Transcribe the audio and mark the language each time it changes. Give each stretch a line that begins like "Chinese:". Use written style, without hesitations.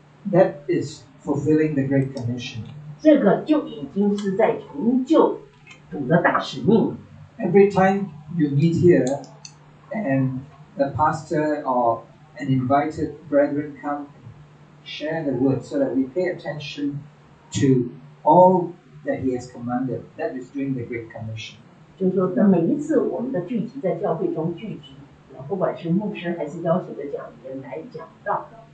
English: That is fulfilling the Great Commission.
Chinese: 这个就已经是在成就主的大使命。
English: Every time you meet here, and the pastor or an invited brethren come and share the word, so that we pay attention to all that he has commanded. That is doing the Great Commission.
Chinese: 就是说，那每一次我们的聚集在教会中聚集，不管是牧师还是邀请的讲员来讲道。